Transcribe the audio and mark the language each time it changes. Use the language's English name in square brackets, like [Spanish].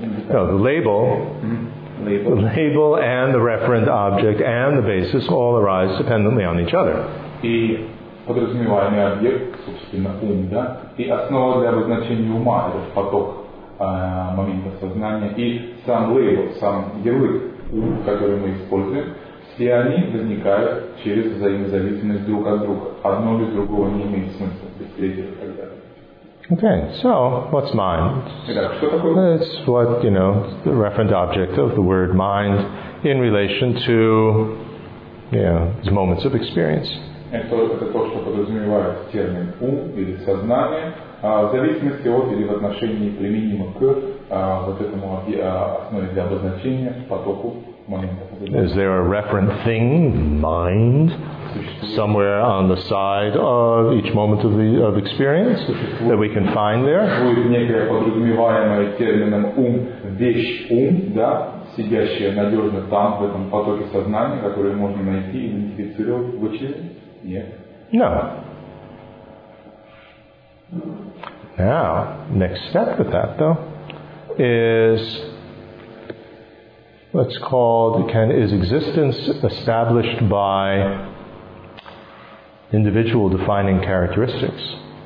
[English] No, the label, the label and the referent object and the basis all arise dependently on each other. [Russian] Подразумеваемый объект, собственно, ум, да? И основа для обозначения ума, этот поток момента сознания и сам лейбл, сам ярлык, ум, который мы используем, все они возникают через взаимозависимость друг от друга. Одно без другого не имеет смысла, без третьего и так далее. [English] Okay, so what's mind? It's what, you know, the referent object of the word mind in relation to, you know, these moments of experience. [Russian] Это то, что подразумевает термин ум или сознание, в зависимости от или в отношении применимо к вот этому основе для обозначения потоку момента. Is there a referent thing, mind, somewhere on the side of each moment of the of experience that we can find there? Будет некая подразумеваемая термином ум вещь ум, да, сидящая надежно там в этом потоке сознания, которую можно найти и идентифицировать в очередь? Нет. [English] No. Now, next step with that, though, is what's called, is existence established by individual defining characteristics?